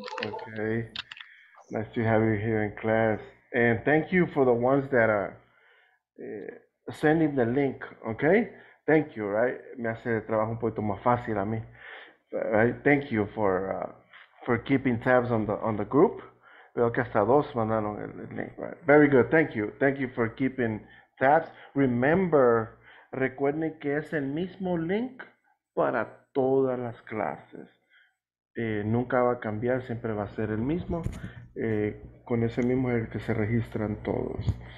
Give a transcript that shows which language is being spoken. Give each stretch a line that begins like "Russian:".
English: Okay, nice to have you here in class. And thank you for the ones that are sending the link. Okay, thank you, right?
Spanish: Me hace el trabajo un poquito más fácil a mí.
English: Right, thank you for keeping tabs on the group.
Spanish: Veo que hasta dos mandaron el link,
English: right? Very good, thank you. Thank you for keeping tabs. Remember,
Spanish: recuerden que es el mismo link para todas las clases. Nunca va a cambiar, siempre va a ser el mismo. Con ese mismo es el que se registran todos.